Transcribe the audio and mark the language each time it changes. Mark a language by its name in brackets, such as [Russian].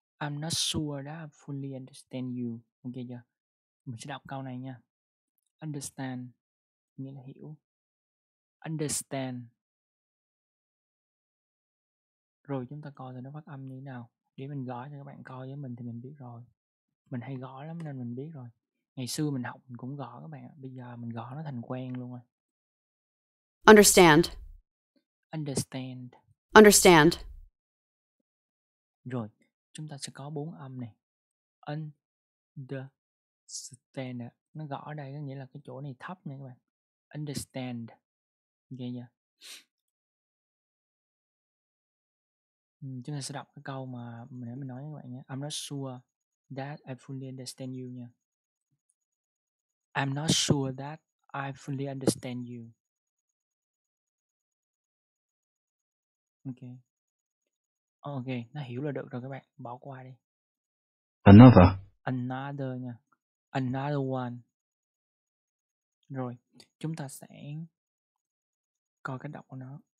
[English] I'm not sure that I fully understand you. [Vietnamese] Ok chưa? Mình sẽ đọc câu này nha. Understand nghĩa là hiểu. Understand. Rồi chúng ta coi thì nó phát âm như thế nào. Để mình gõ cho các bạn coi với mình thì mình biết rồi. Mình hay gõ lắm nên mình biết rồi. Ngày xưa mình học mình cũng gõ các bạn. Bây giờ mình gõ nó thành quen luôn rồi. [English] Understand. Understand. Understand. [Vietnamese] Rồi, chúng ta sẽ có bốn âm này. Understand. Nó gõ ở đây có nghĩa là cái chỗ này thấp nè các bạn. Understand. Nghe chưa? Chúng ta sẽ đọc cái câu mà nãy mình nói với các bạn nhé. [English] I'm not sure that I fully understand you nha. I'm not sure that I fully understand you. Ok. [Vietnamese] Ok, nó hiểu là được rồi các bạn. Bỏ qua đi. [English] Another. Another nha. Another one. [Vietnamese] Rồi, chúng ta sẽ coi cách đọc của nó.